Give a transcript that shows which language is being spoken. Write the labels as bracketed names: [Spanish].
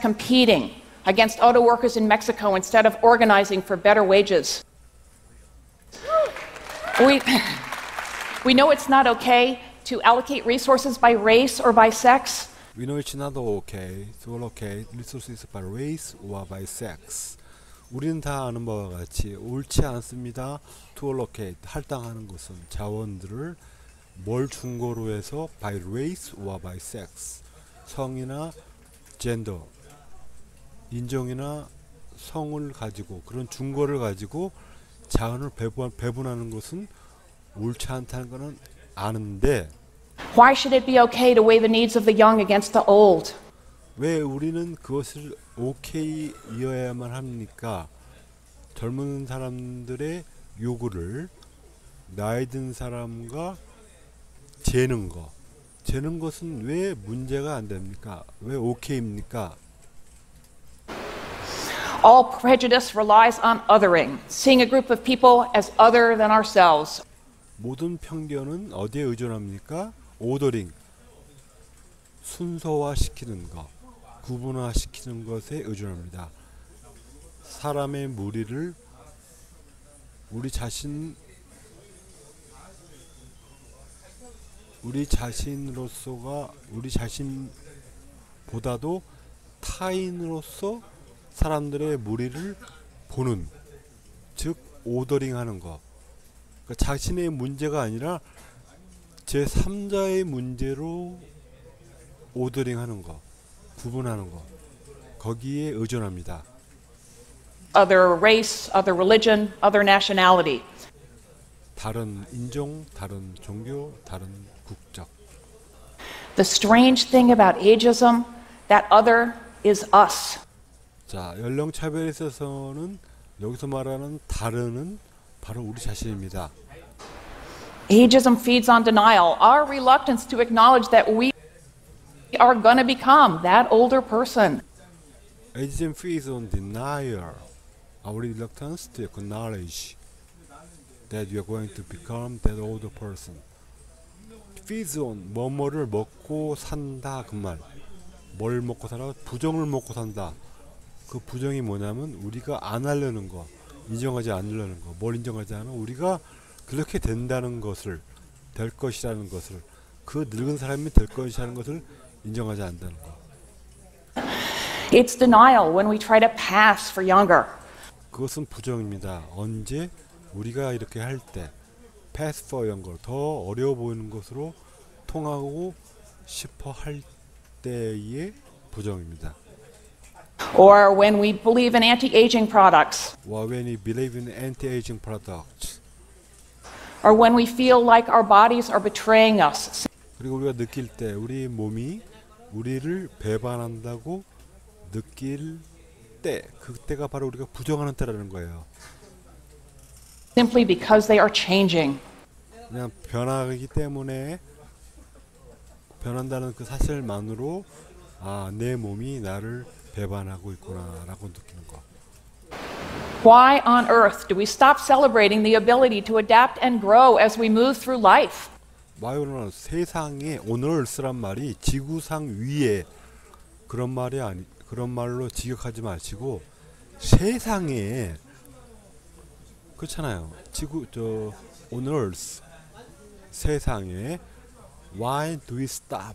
[English] competing against auto workers in Mexico instead of organizing for better wages. We know it's not okay to allocate resources by race or by sex. We know it's not okay to allocate resources by race or by sex. [Korean] 우리는 다 아는 바와 같이 옳지 않습니다. [English] To allocate [Korean] 할당하는 것은 자원들을 뭘 중고로 해서 [English] by race or by sex [Korean] 성이나 gender 인종이나 성을 가지고 그런 중고를 가지고 자원을 배분하는 것은 옳지 않다는 것은 아는데 [English] Why should it be okay to weigh the needs of the young against the old? [Korean] 왜 우리는 그것을 오케이여야만 합니까? 젊은 사람들의 요구를 나이 든 사람과 재는 거. 재는 것은 왜 문제가 안 됩니까? 왜 오케이입니까? [English] All prejudice relies on othering, seeing a group of people as other than ourselves. [Korean] 모든 편견은 어디에 의존합니까? Ordering. 순서화 시키는 거. 구분화 시키는 것에 의존합니다. 사람의 무리를 우리 자신 우리 자신으로서가 우리 자신보다도 타인으로서 사람들의 무리를 보는, 즉 오더링하는 것. 그러니까 자신의 문제가 아니라 제 3자의 문제로 오더링하는 것, 구분하는 것. 거기에 의존합니다. [English] Other race, other religion, other nationality. [Korean] 다른 인종, 다른 종교, 다른 국적. [English] The strange thing about ageism, that other is us. [Korean] 자, 연령 차별에 있어서는 여기서 말하는 다른은 바로 우리 자신입니다. [English] Ageism feeds on denial, our reluctance to acknowledge that we are going to become that older person. Ageism feeds on denial, our reluctance to acknowledge that you are going to become that older person. Feeds on, [Korean] 뭐뭐를 먹고 산다 그 말. 뭘 먹고 살아? 부정을 먹고 산다. 그 부정이 뭐냐면 우리가 안 하려는 거, 인정하지 않으려는 거, 뭘 인정하지 않아? 우리가 그렇게 된다는 것을, 될 것이라는 것을, 그 늙은 사람이 될 것이라는 것을 인정하지 않는다는 거. [English] It's denial when we try to pass for younger. [Korean] 그것은 부정입니다. 언제 우리가 이렇게 할 때 [English] pass for younger, [Korean] 더 어려 보이는 것으로 통하고 싶어 할 때의 부정입니다. [English] Or when we believe in anti-aging products. Or when we believe in anti-aging products. Or when we feel like our bodies are betraying us. [Korean] 그리고 우리가 느낄 때 우리 몸이 우리를 배반한다고 느낄 때, 그때가 바로 우리가 부정하는 때라는 거예요. [English] Simply because they are changing. [Korean] 그냥 변하기 때문에, 변한다는 그 사실만으로 아, 내 몸이 나를 배반하고 있구나라고 느끼는 거. [English] Why on earth do we stop celebrating the ability to adapt and grow as we move through life? Why on earth? [Korean] 세상에 on earth란 말이 지구상 위에 그런 말이 아니, 그런 말로 직역하지 마시고 세상에 그렇잖아요. 지구 저 on earth 세상에 [English] Why do we stop?